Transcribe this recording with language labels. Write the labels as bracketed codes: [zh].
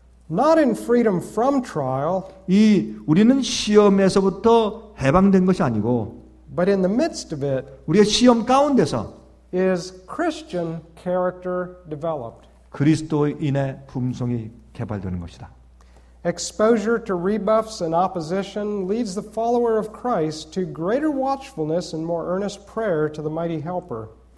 [en] Not in freedom from trial. [ko] 이 우리는 시험에서부터 해방된 것이 아니고 [en] but in the midst of it [ko] 우리의 시험 가운데서 [en] is Christian character developed. [ko] 그리스도인의 품성이 개발되는 것이다. [en] Exposure to rebuffs and opposition leads the follower of Christ to greater watchfulness and more earnest prayer to the mighty helper.